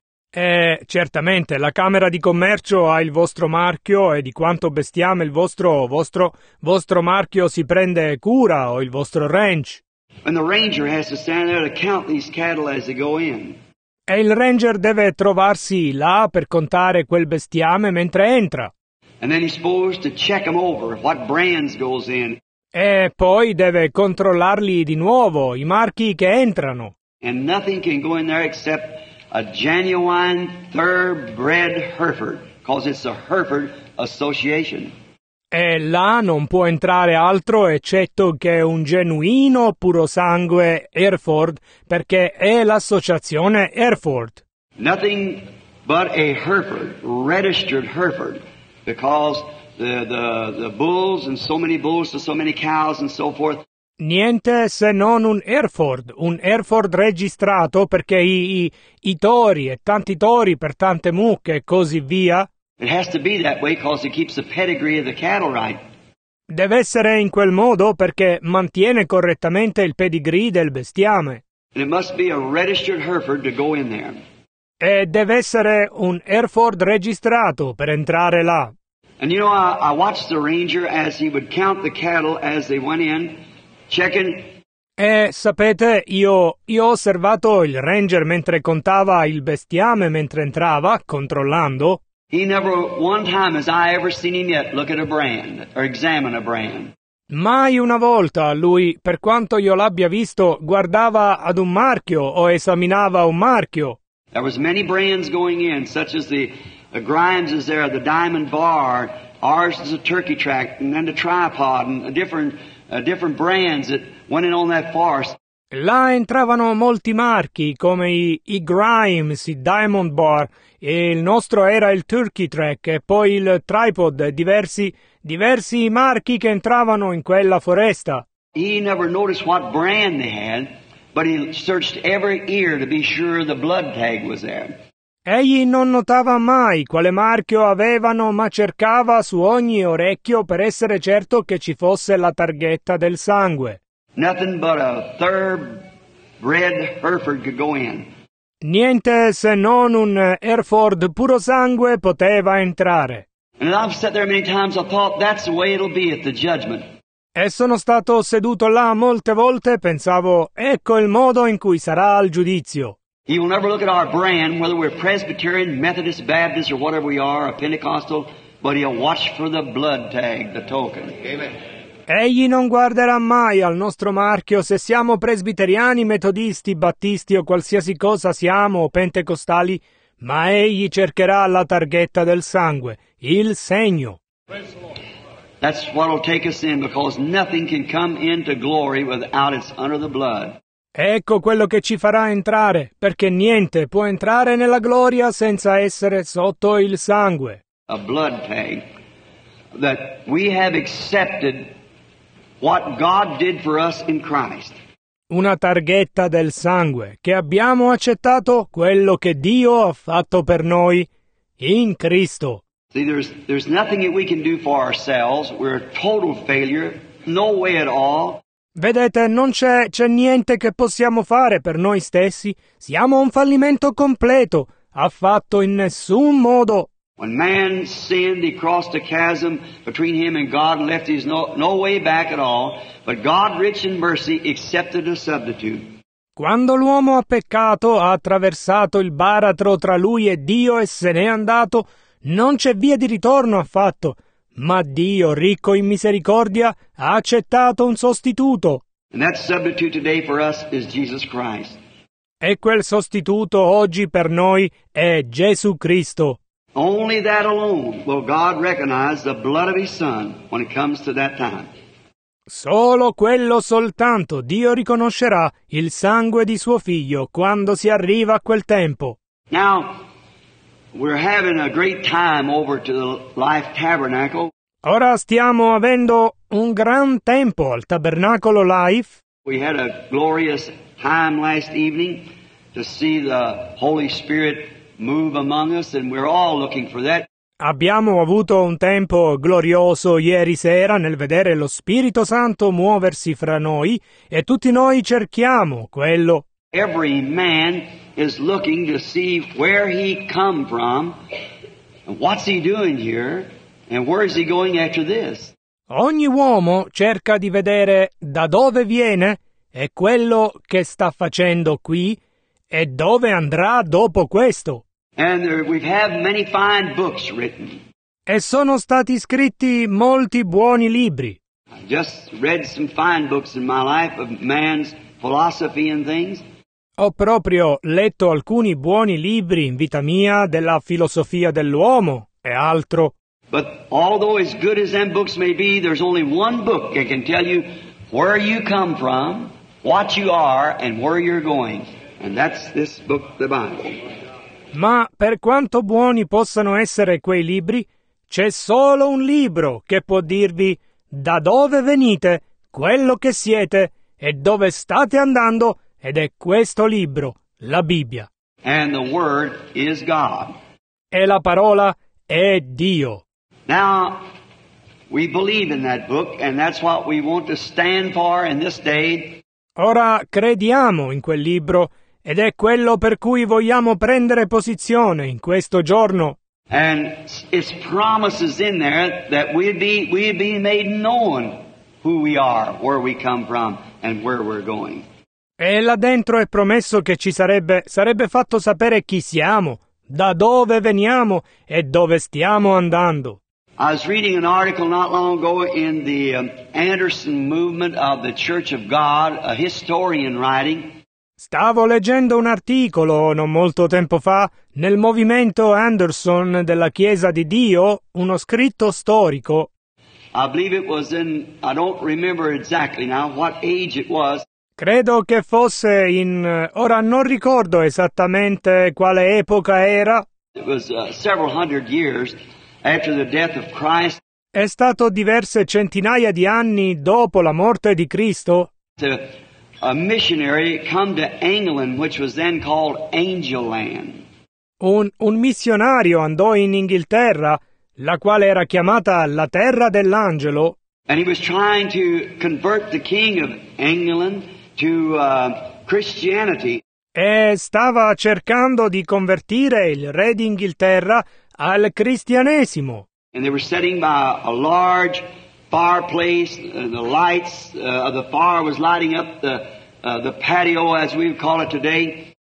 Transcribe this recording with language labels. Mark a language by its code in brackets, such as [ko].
[it] E certamente la Camera di Commercio ha il vostro marchio e di quanto bestiame il vostro marchio si prende cura o il vostro ranch. [en] And the ranger has to stand there to count these cattle as they go in. [it] E il ranger deve trovarsi là per contare quel bestiame mentre entra. [en] And then he's supposed to check them over, what brands goes in. [it] E poi deve controllarli di nuovo, i marchi che entrano. [en] And nothing can go in there except a genuine thoroughbred Hereford, because it's a Hereford association. [it] E là non può entrare altro eccetto che un genuino puro sangue Hereford, perché è l'associazione Hereford. [en] Nothing but a Hereford, registered Hereford, because the bulls and so many bulls to so many cows and so forth. [it] Niente se non un Hereford registrato, perché i tori e tanti tori per tante mucche e così via. [en] It has to be that way because it keeps the pedigree of the cattle right. [it] Deve essere in quel modo perché mantiene correttamente il pedigree del bestiame. [en] And it must be a registered Hereford to go in there. [it] E deve essere un Hereford registrato per entrare là. [en] And you know, I watched the ranger as he would count the cattle as they went in, checking. [it] E sapete, io ho osservato il ranger mentre contava il bestiame mentre entrava, controllando. [en] He never one time has I ever seen him yet look at a brand or examine a brand. [it] Mai una volta lui, per quanto io l'abbia visto, guardava ad un marchio o esaminava un marchio. [en] There was many brands going in, such as the Grimes is there, the Diamond Bar, ours is a Turkey Track, and then the Tripod, and different brands that went in on that forest. [it] Là entravano molti marchi, come i Grimes, i Diamond Bar, e il nostro era il Turkey Track, e poi il Tripod, diversi marchi che entravano in quella foresta. [en] He never noticed what brand they had, but he searched every ear to be sure the blood tag was there. [it] Egli non notava mai quale marchio avevano, ma cercava su ogni orecchio per essere certo che ci fosse la targhetta del sangue. [en] Nothing but a thoroughbred Hereford could go in. [it] Niente se non un Hereford puro sangue poteva entrare. [en] And I've sat there many times, I thought that's the way it'll be at the judgment. [it] E sono stato seduto là molte volte, pensavo, ecco il modo in cui sarà al giudizio. [en] He will never look at our brand, whether we're Presbyterian, Methodist, Baptist, or whatever we are, a Pentecostal, but he'll watch for the blood tag, the token. Amen. [it] Egli non guarderà mai al nostro marchio se siamo presbiteriani, metodisti, battisti o qualsiasi cosa siamo, o pentecostali, ma egli cercherà la targhetta del sangue, il segno. [en] That's what'll take us in, because nothing can come into glory without it's under the blood. [it] Ecco quello che ci farà entrare, perché niente può entrare nella gloria senza essere sotto il sangue. [en] A blood tag that we have accepted what God did for us in Christ. [it] Una targhetta del sangue, che abbiamo accettato quello che Dio ha fatto per noi in Cristo. [en] See, there's nothing that we can do for ourselves. We're a total failure. No way at all. [it] Vedete, non c'è niente che possiamo fare per noi stessi. Siamo un fallimento completo, affatto in nessun modo. [en] When man sinned, he crossed a chasm between him and God and left his no way back at all. But God, rich in mercy, accepted a substitute. [it] Quando l'uomo ha peccato, ha attraversato il baratro tra lui e Dio e se n'è andato, non c'è via di ritorno affatto. Ma Dio, ricco in misericordia, ha accettato un sostituto. [en] And that substitute today for us is Jesus Christ. [it] E quel sostituto oggi per noi è Gesù Cristo. [en] Only that alone will God recognize the blood of His Son when it comes to that time. [it] Solo quello soltanto Dio riconoscerà il sangue di suo figlio quando si arriva a quel tempo. [en] Now, we're having a great time over to the Life Tabernacle. [it] Ora stiamo avendo un gran tempo al Tabernacolo Life. [en] We had a glorious time last evening to see the Holy Spirit move among us, and we're all looking for that. [it] Abbiamo avuto un tempo glorioso ieri sera nel vedere lo Spirito Santo muoversi fra noi, e tutti noi cerchiamo quello. [en] Every man is looking to see where he come from, and what's he doing here, and where is he going after this. [it] Ogni uomo cerca di vedere da dove viene e quello che sta facendo qui e dove andrà dopo questo. [en] And we've had many fine books written. [it] E sono stati scritti molti buoni libri. [en] I just read some fine books in my life of man's philosophy and things. [it] Ho proprio letto alcuni buoni libri in vita mia della filosofia dell'uomo e altro. [en] But although as good as them books may be, there's only one book that can tell you where you come from, what you are, and where you're going. And that's this book, the Bible. [it] Ma per quanto buoni possano essere quei libri, c'è solo un libro che può dirvi da dove venite, quello che siete e dove state andando, ed è questo libro, la Bibbia. [en] And the word is God. [it] E la parola è Dio. [en] Now, we believe in that book, and that's what we want to stand for in this day. [it] Ora crediamo in quel libro, ed è quello per cui vogliamo prendere posizione in questo giorno. [en] And it's promises in there that we'd be made known who we are, where we come from, and where we're going. [it] E là dentro è promesso che ci sarebbe fatto sapere chi siamo, da dove veniamo e dove stiamo andando. [en] I was reading an article not long ago in the Anderson Movement of the Church of God, a historian writing. [it] Stavo leggendo un articolo non molto tempo fa nel movimento Anderson della Chiesa di Dio, uno scritto storico. [en] I believe it was in, I don't remember exactly now what age it was. [it] Credo che fosse in, ora non ricordo esattamente quale epoca era. [en] It was several hundred years after the death of Christ. [it] È stato diverse centinaia di anni dopo la morte di Cristo. [en] A missionary come to England, which was then called Angel Land. [it] Un missionario andò in Inghilterra, la quale era chiamata la Terra dell'Angelo. [en] And he was trying to convert the king of England to Christianity. [it] E stava cercando di convertire il re d'Inghilterra al cristianesimo. [en] And they were sitting by a large fire place, the lights of the fire was lighting up the patio, as we would call it today.